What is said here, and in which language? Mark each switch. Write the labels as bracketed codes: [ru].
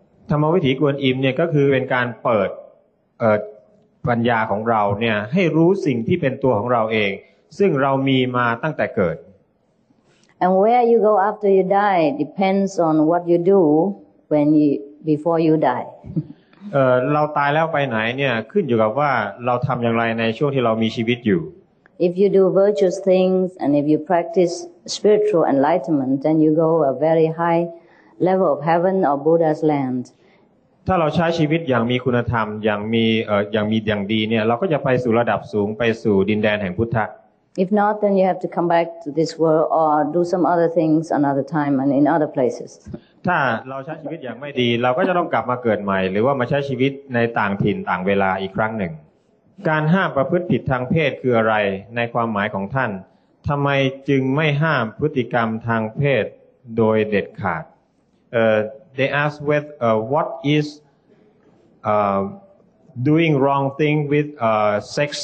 [th] ธรรมวิถีกวนอิมเนี่ยก็คือเป็นการเปิดปัญญาของเราเนี่ยให้รู้สิ่งที่เป็นตัวของเราเองซึ่งเรามีมาตั้งแต่เกิด [en] And where you go after you die depends on what you do. When you, before you die. [th] เราตายแล้วไปไหนเนี่ยขึ้นอยู่กับว่าเราทำอย่างไรในช่วงที่เรามีชีวิตอยู่ [en] If you do virtuous things and if you practice spiritual enlightenment, then you go a very high level of heaven or Buddha's land. [th] ถ้าเราใช้ชีวิตอย่างมีคุณธรรมอย่างมีอย่างมีอย่างดีเนี่ยเราก็จะไปสู่ระดับสูงไปสู่ดินแดนแห่งพุทธะ [en] If not, then you have to come back to this world or do some other things another time and in other places. [th] ถ้าเราใช้ชีวิตอย่างไม่ดีเราก็จะต้องกลับมาเกิดใหม่หรือว่ามาใช้ชีวิตในต่างถิ่นต่างเวลาอีกครั้งหนึ่งการห้ามประพฤติผิดทางเพศคืออะไรในความหมายของท่านทำไมจึงไม่ห้ามพฤติกรรมทางเพศโดยเด็ดขาด [en] They ask with what is doing wrong thing with sex